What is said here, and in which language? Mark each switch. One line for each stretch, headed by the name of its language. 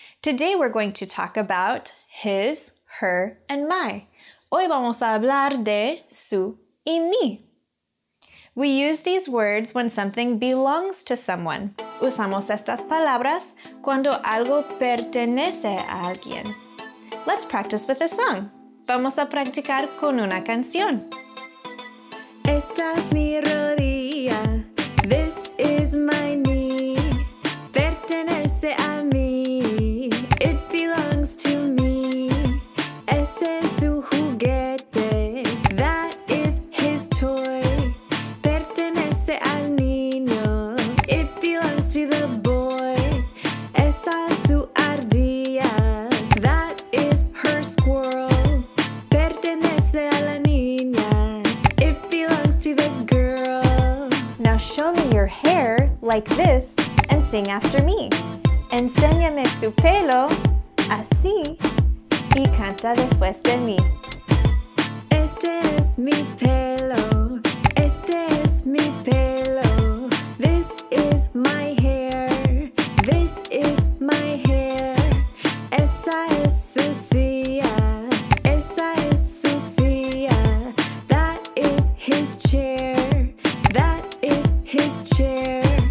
English: Today we're going to talk about his, her, and my.
Spanish: Hoy vamos a hablar de su y mi.
English: We use these words when something belongs to someone.
Spanish: Usamos estas palabras cuando algo pertenece a alguien.
English: Let's practice with a song.
Spanish: Vamos a practicar con una canción. Esta es mi rodilla.
English: This is my knee.
Spanish: Pertenece a mí.
English: It belongs to me.
Spanish: Este es su juguete.
English: That is his toy.
Spanish: Pertenece al niño.
English: It belongs to the boy.
Spanish: Esta es su ardilla.
English: That is her squirrel.
Spanish: Pertenece a la niña.
English: It belongs to the girl. Now show me your hair like this and sing after me.
Spanish: Enséñame tu pelo, así, y canta después de mí. Este es mi pelo, este es mi pelo.
English: This is my hair, this is my hair.
Spanish: Esa es su silla, esa es su silla.
English: That is his chair, that is his chair.